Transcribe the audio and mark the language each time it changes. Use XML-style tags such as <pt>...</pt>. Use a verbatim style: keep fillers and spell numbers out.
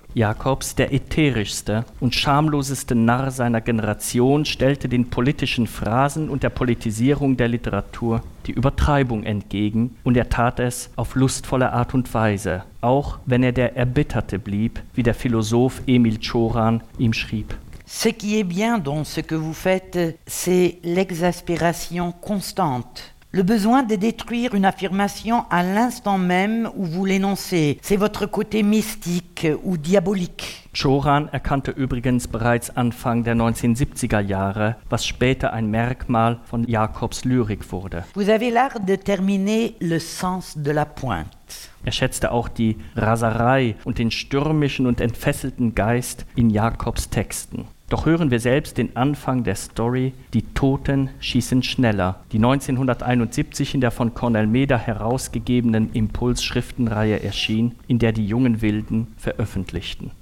<de>Jacobs, der ätherischste und schamloseste Narr seiner Generation, stellte den politischen Phrasen und der Politisierung der Literatur die Übertreibung entgegen, und er tat es auf lustvolle Art und Weise, auch wenn er der Erbitterte blieb, wie der Philosoph Emil Cioran ihm schrieb.</de> <fr>Ce qui est bien dans ce que vous faites, c'est l'exaspération constante. Le besoin de détruire une affirmation à l'instant même où vous l'énoncez. C'est votre côté mystique ou diabolique.</fr> <de>Cioran erkannte übrigens bereits Anfang der neunzehnhundertsiebziger Jahre, was später ein Merkmal von Jacobs Lyrik wurde.</de> <fr>Vous avez l'art de terminer le sens de la pointe.</fr> <de>Er schätzte auch die Raserei und den stürmischen und entfesselten Geist in Jacobs Texten. Doch hören wir selbst den Anfang der Story Die Toten schießen schneller, die neunzehnhunderteinundsiebzig in der von Cornel Meder herausgegebenen Impuls-Schriftenreihe erschien, in der die jungen Wilden veröffentlichten.</de>